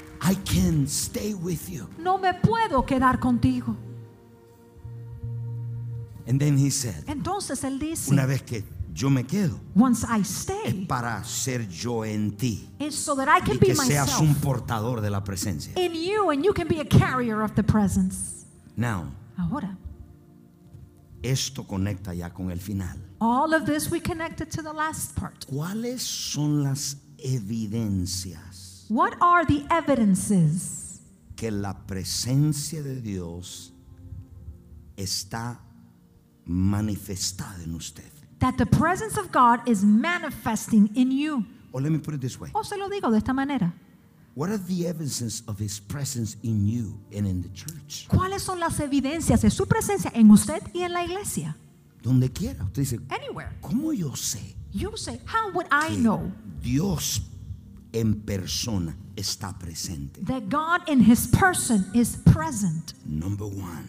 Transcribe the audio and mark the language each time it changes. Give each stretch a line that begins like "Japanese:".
English: I can stay with you.
Spanish: No me puedo quedar contigo.
English: And then he said.
Spanish: Entonces él dice. Una vez que yo me quedo.
English: Once I stay.
Spanish: Es para ser yo en ti.
English: Is so that I can be myself.
Spanish: Y que seas un portador de la presencia.
English: In you, and you can be a carrier of the presence. Now.
Spanish: Ahora. Esto conecta ya con el final.
English: All of this we connected to the last part.
Spanish: ¿Cuáles son las evidencias?
English: What are the evidences?
Spanish: Que la presencia de Dios está manifestada en usted.
English: That the presence of God is manifesting in you. O let me put it this way.
Spanish: O se lo digo de esta manera.
English: What are the evidences of his presence in you and in the church?
Spanish: ¿Cuáles son las evidencias de su presencia en usted y en la iglesia? Donde quiera, usted dice.
English: Anywhere.
Spanish: ¿Cómo yo sé?
English: You say, how would I know?
Spanish: Dios en persona está presente.
English: That God in his person is present. Number one.